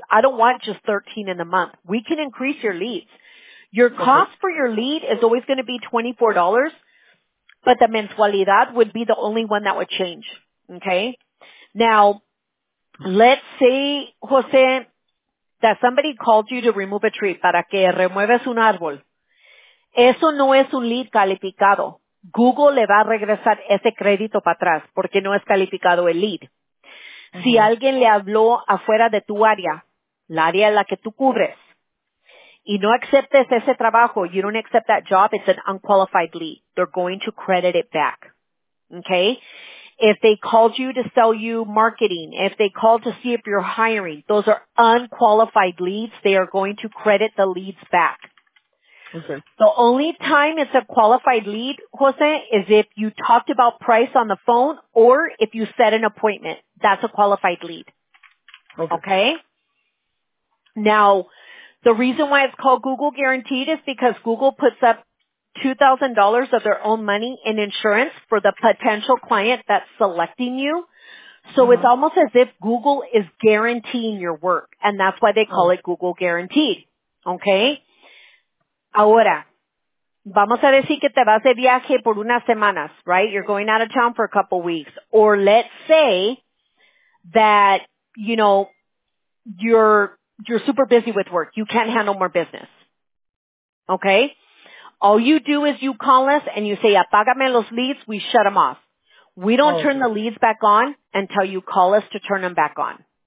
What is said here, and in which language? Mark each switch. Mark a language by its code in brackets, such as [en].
[en] I don't want just 13 in the month. We can increase your leads. Your cost for your lead is always going to be $24. But the mensualidad would be the only one that would change. Okay. Now, let's say, Jose, that somebody called you to remove a tree. [es] Para que remueves un árbol. Eso no es un lead calificado. Google le va a regresar ese crédito para atrás porque no es calificado el lead. Si alguien le habló afuera de tu área, la área en la que tú cubres, y no aceptes ese trabajo, [en] you don't accept that job, it's an unqualified lead. They're going to credit it back. Okay? If they called you to sell you marketing, if they called to see if you're hiring, those are unqualified leads. They are going to credit the leads back. Okay. The only time it's a qualified lead, Jose, is if you talked about price on the phone or if you set an appointment. That's a qualified lead. Okay. Now, the reason why it's called Google Guaranteed is because Google puts up $2,000 of their own money in insurance for the potential client that's selecting you. So it's almost as if Google is guaranteeing your work, and that's why they call it Google Guaranteed. Okay. [es] Ahora, vamos a decir que te vas de viaje por unas semanas, right? [en] You're going out of town for a couple weeks. Or let's say that, you know, you're super busy with work. You can't handle more business. Okay? All you do is you call us and you say, [es] apágame los leads. [en] We shut them off. We don't turn the leads back on until you call us to turn them back on.